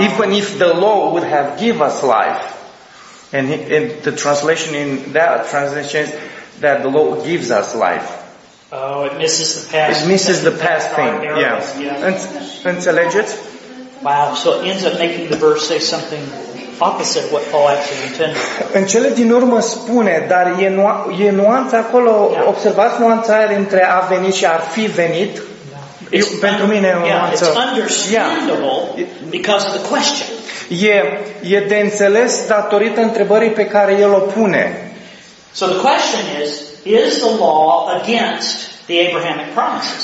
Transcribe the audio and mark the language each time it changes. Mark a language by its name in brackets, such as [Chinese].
[English] Even if the law would have given us life, and in the translation in that translation is that the law gives us life. Oh, it misses the past. It misses the past thing. Yeah. [Romanian] Înțelegeți? [English] Wow. So it ends up making the verse say something opposite what Paul actually intended. [Romanian] În cele din urmă spune, dar e nuanța acolo, yeah. Observați nuanța aia între a veni și ar fi venit. Yeah. Pentru mine e o nuanță. [English] It's understandable, yeah. Because of the question. [Romanian] E de înțeles datorită întrebării pe care el o pune. [English] So the question is the law against the Abrahamic promises?